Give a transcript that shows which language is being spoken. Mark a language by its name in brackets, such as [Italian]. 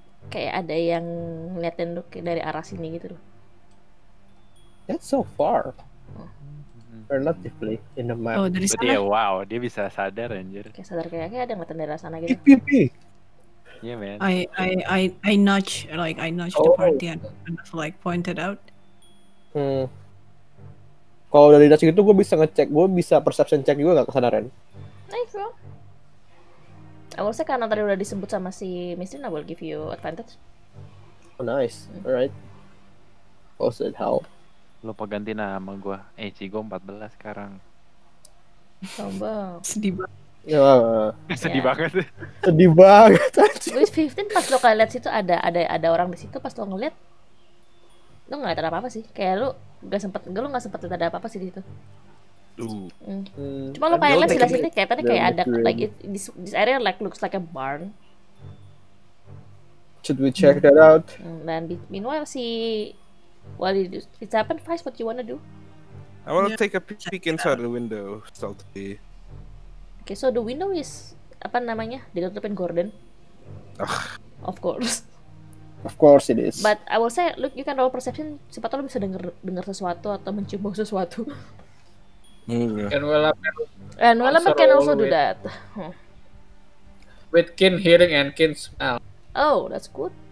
[Indonesian] Kayak ada yang ngeliatin lu dari arah sini gitu loh. [English] That's so far. Relatively in the map. [Indonesian] Oh, dari sana. Dia, wow, dia bisa sadar anjir. Kayak sadar kayak ada yang ngeliatin dari sana gitu. Pipi. [English] Yeah, man. I nudge the party and like pointed out. [Indonesian] Kalau dari nudge itu gua bisa ngecek, gua bisa perception check juga enggak kesadaran. [English] Nice, bro. I will say [Indonesian] karena tadi udah disebut sama si Mistrin, [English] I will give you advantage. Oh nice, alright. What's it help? [Indonesian] Lupa ganti nama gua. AC gua 14 sekarang. Sombong. Sedih banget. Ya. Sedih banget. Sedih banget. Louis 15 pas lo kayak liat situ ada orang di situ pas lo ngeliat. Lo gak liat ada apa-apa sih. Kayak lo gak sempet liat ada apa-apa sih di situ. Cuma lo kayak liat sih sini kayaknya kayak ada [English] like this area like looks like a barn. Should we check that out? Dan meanwhile si it's happened, Vice, what you wanna do? I wanna take a peek inside the window, stealthy. Okay, so the window is [Indonesian] apa namanya? Ditutupin gorden. [English] Of course it is. But I will say, look, you can roll perception. [Indonesian] Siapa tahu lo bisa dengar sesuatu atau mencium bau sesuatu. [English] And Willamette can also do that. With keen hearing and keen smell. Oh, that's good.